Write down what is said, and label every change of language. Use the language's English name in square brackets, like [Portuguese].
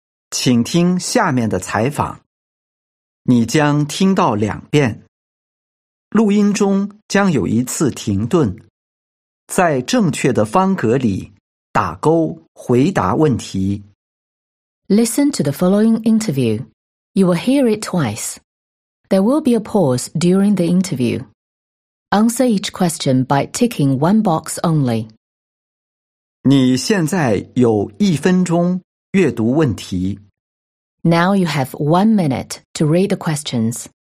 [Chinese] 请听下面的采访，你将听到两遍。录音中将有一次停顿，在正确的方格里打勾回答问题。 [English] Listen to the following interview. You will hear it twice. There will be a pause during the interview. Answer each question by ticking one box only. [Chinese] 你现在有一分钟阅读问题。 [English] Now you have 1 minute to read the questions.